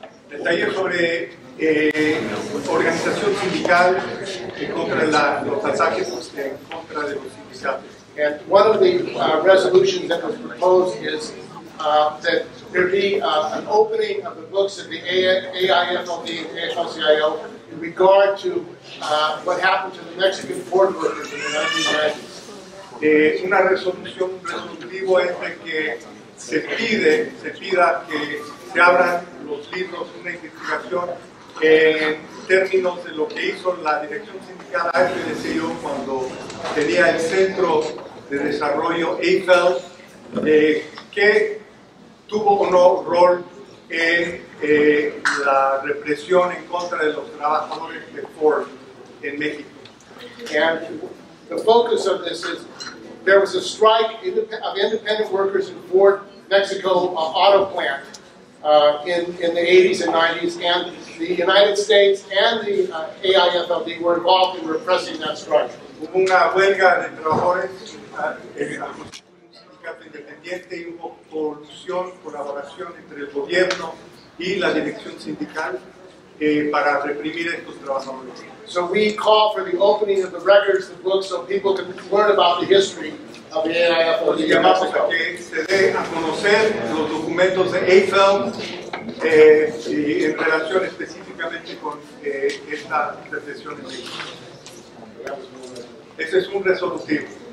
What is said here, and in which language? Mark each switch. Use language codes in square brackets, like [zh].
[es] Detalle sobre organización sindical en contra de los pasajes, en contra de los sindicatos. [en] And one of the resolutions that was proposed is that there be an opening of the books of the AIFLD and AFL-CIO in regard to what happened to the Mexican port workers in the 1990s. [es] Una resolución resolutivo es de que se pida que se abran los libros, una investigación en términos de lo que hizo la dirección sindical AFL-CIO cuando tenía el centro de desarrollo AFL, que tuvo un rol en la represión en contra de los trabajadores de Ford en México. [en] And the focus of this is there was a strike of independent workers in Ford Mexico auto plant in the 80s and 90s, and the United States and the AIFLD were involved in repressing that strike. [es] Hubo una huelga de trabajadores, un sindicato independiente, y hubo colaboración entre el gobierno y la dirección sindical para reprimir estos trabajadores. [en] So we call for the opening of the records, the books, so people can learn about the history of the AIFLD. [es] Llamamos a que se dé a conocer los documentos de AFL y en relación específicamente con esta represión en México. Ese es un resolutivo.